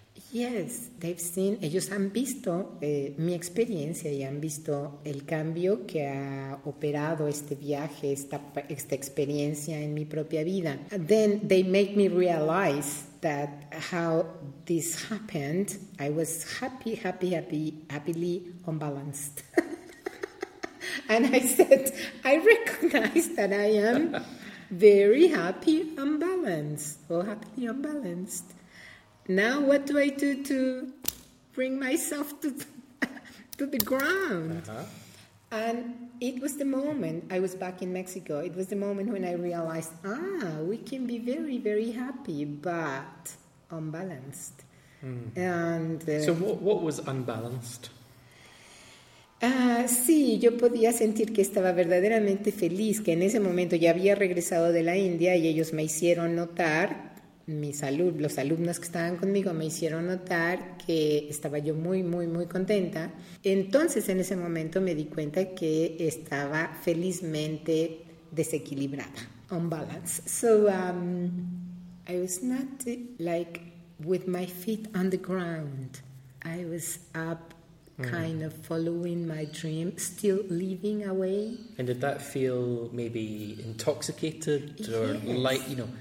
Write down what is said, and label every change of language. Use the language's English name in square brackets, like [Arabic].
[English] Yes, they've seen, [Spanish] ellos han visto mi experiencia y han visto el cambio que ha operado este viaje, esta experiencia en mi propia vida. [English] And then they make me realize that how this happened, I was happy, happy, happy, happily unbalanced. And I said, I recognize that I am very happy, unbalanced, or happily unbalanced. Now what do I do to bring myself to the ground? Uh-huh. And it was the moment, I was back in Mexico, it was the moment when I realized, we can be very, very happy, but unbalanced. Mm. And so what was unbalanced? [Spanish] Sí, yo podía sentir que estaba verdaderamente feliz, que en ese momento ya había regresado de la India y ellos me hicieron notar. Los alumnos que estaban conmigo me hicieron notar que estaba yo muy, muy, muy contenta. Entonces, en ese momento me di cuenta que estaba felizmente desequilibrada, unbalanced. [English] So, I was not like with my feet on the ground. I was up, kind of following my dream, still living away. And did that feel maybe intoxicated or yes. Like, you know,